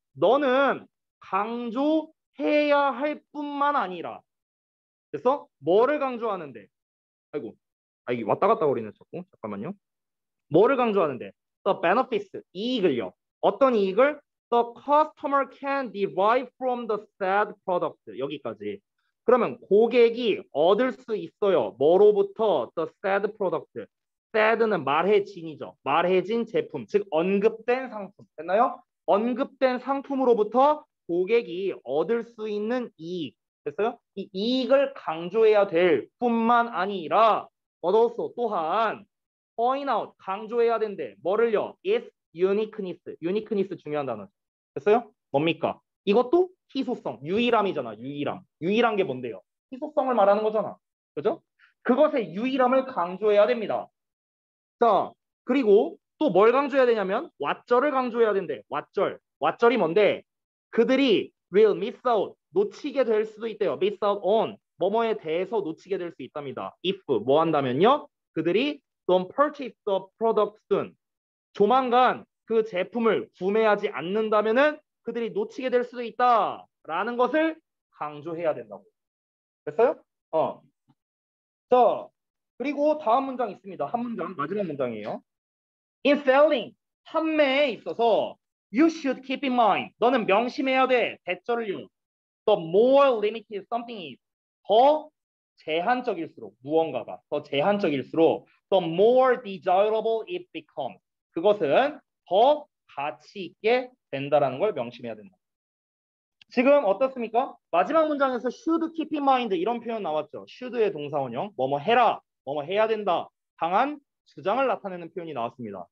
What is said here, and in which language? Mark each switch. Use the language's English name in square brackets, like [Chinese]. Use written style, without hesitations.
[Korean] 너는 강조해야 할 뿐만 아니라. 됐어? 뭐를 강조하는데? 아이고, 아, 이게 왔다 갔다 거리네, 자꾸. 잠깐만요. 뭐를 강조하는데? [English] The benefits, [Korean] 이익을요. 어떤 이익을? [English] The customer can derive from the said product. [Korean] 여기까지. 그러면 고객이 얻을 수 있어요. 뭐로부터? [English] The said product. [Korean] said는 말해진이죠. 말해진 제품, 즉 언급된 상품. 됐나요? 언급된 상품으로부터 고객이 얻을 수 있는 이익. 됐어요? 이 이익을 강조해야 될 뿐만 아니라 얻어서 또한 [English] point out, [Korean] 강조해야 된대. 뭐를요? [English] Its uniqueness. [Korean] uniqueness 중요한 단어. 됐어요? 뭡니까? 이것도 희소성, 유일함이잖아. 유일함. 유일한 게 뭔데요? 희소성을 말하는 거잖아. 그죠? 그것의 유일함을 강조해야 됩니다. 자, 그리고 또뭘 강조해야 되냐면 왓절을 강조해야 된대. 왓절. 왓절이 뭔데? 그들이 [English] will miss out, [Korean] 놓치게 될 수도 있대요. [English] miss out on, [Korean] 뭐뭐에 대해서 놓치게 될수 있답니다. if, 뭐 한다면요? 그들이 [English] don't purchase the product soon. [Korean] 조만간 그 제품을 구매하지 않는다면은 그들이 놓치게 될 수도 있다라는 것을 강조해야 된다고. 됐어요? 자, 그리고 다음 문장 있습니다. 한 문장, 마지막 문장이에요. [English] In selling, [Korean] 판매에 있어서 [English] you should keep in mind. [Korean] 너는 명심해야 돼. 대절을요. [English] The more limited something is. [Korean] 더 제한적일수록, 무언가가 더 제한적일수록 [English] the more desirable it becomes. [Korean] 그것은 더 가치 있게 된다라는 걸 명심해야 된다. 지금 어떻습니까? 마지막 문장에서 [English] should keep in mind [Korean] 이런 표현 나왔죠. should의 동사원형, 뭐뭐 해라, 뭐뭐 해야 된다, 강한 주장을 나타내는 표현이 나왔습니다.